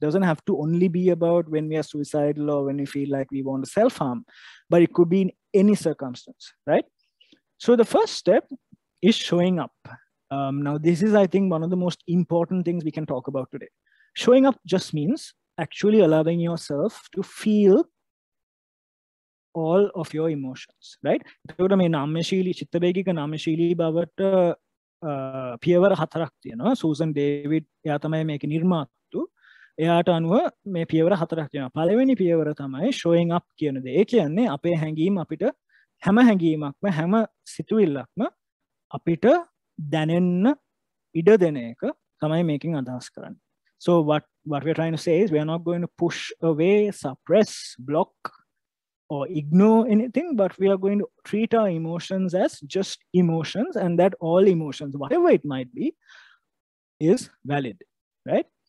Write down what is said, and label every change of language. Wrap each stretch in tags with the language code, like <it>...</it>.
<en>Doesn't have to only be about when we are suicidal or when we feel like we want to self-harm, but it could be in any circumstance, right? So the first step is showing up. Now, this is, I think, one of the most important things we can talk about today. Showing up just means actually allowing yourself to feel all of your emotions, right?</en> <si>එතකොට මේ නම්‍යශීලී චිත්තවේගික නම්‍යශීලී බවට පියවර හතරක් තියෙනවා. Susan David එයා තමයි මේක නිර්මාතු. එයාට අනුව මේ පියවර හතරක් තියෙනවා. පළවෙනි පියවර තමයි showing up කියන දේ. ඒ කියන්නේ අපේ හැඟීම් අපිට හැම හැඟීමක්ම හැම සිතුවිල්ලක්ම අපිට දැනෙන්න ඉඩ දෙන එක තමයි මේකෙන් අදහස් කරන්නේ.</si> <en>So what we are trying to say is we are not going to push away, suppress, block or ignore anything, but we are going to treat our emotions as just emotions, and that all emotions, whatever it might be, is valid, right?</en>